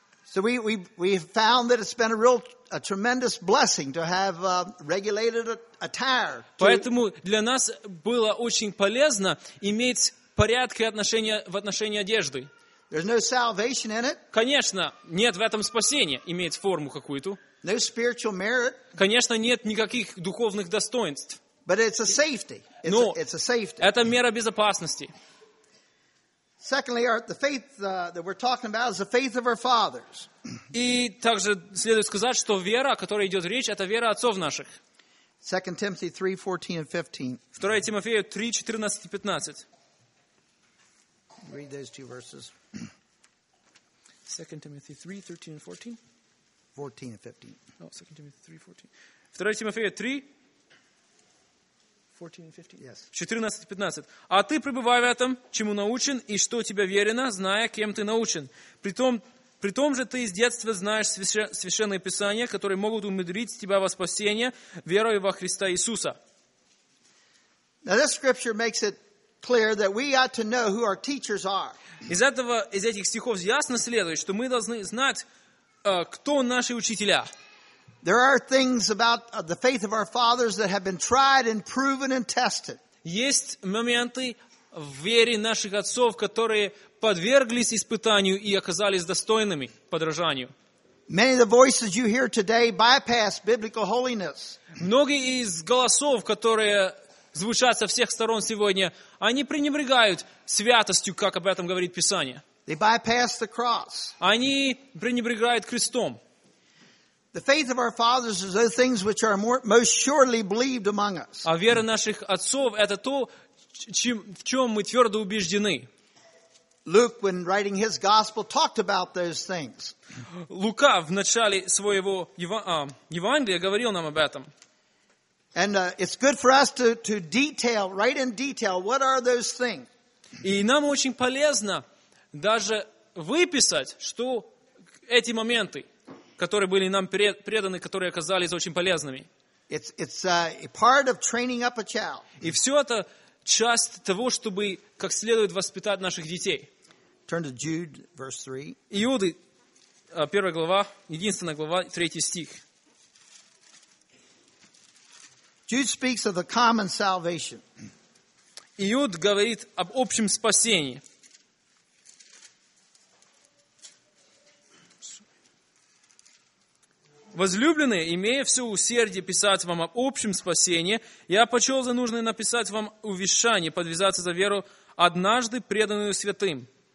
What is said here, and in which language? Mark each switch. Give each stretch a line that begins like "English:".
English: So we found that it's been a tremendous blessing to have regulated attire.
Russian: Поэтому для нас было очень полезно иметь порядки в отношении одежды.
English: There's no salvation in it.
Russian: Конечно, нет в этом спасения, иметь форму какую-то.
English: No spiritual merit.
Russian: Конечно, нет никаких духовных достоинств.
English: But it's a safety. It's a safety.
Russian: Это мера безопасности.
English: Secondly, the faith that we're talking about is the faith of our fathers.
Russian: И также следует сказать, что вера, о которой идет речь, это вера отцов наших.
English: 2 Timothy 3:14 and 15.
Russian: 2 Тимофею 3:14 и 15.
English: Read those two verses. 2 Timothy 3:13 and 14. 14 and 15. Oh, 2 Timothy 3:14.
Russian: 2 Тимофея 3. 14-15. А ты пребывай в этом, чему научен, и что тебе верено, зная, кем ты научен. При том же ты с детства знаешь священные писания, которые могут умудрить тебя во спасение верою во Христа Иисуса.
English: Now this scripture makes it clear that we ought to know who our teachers are.
Russian: Из этих стихов ясно следует, что мы должны знать, кто наши учителя.
English: There are things about the faith of our fathers that have been tried and proven and tested.
Russian: Есть моменты в вере наших отцов, которые подверглись испытанию и оказались достойными подражанию.
English: Many of the voices you hear today bypass biblical holiness.
Russian: Многие из голосов, которые звучат со всех сторон сегодня, они пренебрегают святостью, как об этом говорит Писание.
English: They bypass the cross.
Russian: Они пренебрегают крестом.
English: The faith of our fathers is those things which are most surely believed among us.
Russian: А вера наших отцов это то, в чем мы твердо убеждены.
English: Luke, when writing his gospel, talked about those things.
Russian: Лука в начале своего Евангелия говорил нам об этом.
English: And it's good for us to detail, write in detail, what are those things.
Russian: И нам очень полезно даже выписать, что эти моменты. Которые были нам преданы, которые оказались очень полезными.
English: It's a part of training up a child.
Russian: И все это часть того, чтобы как следует воспитать наших детей.
English: Turn to Jude, verse 3.
Russian: Иуды, первая глава, единственная глава, третий стих.
English: Jude speaks of the common salvation.
Russian: Иуд говорит об общем спасении. Возлюбленные, имея все усердие писать вам об общем спасении, я почел за нужное написать вам увещание, подвязаться за веру, однажды преданную святым.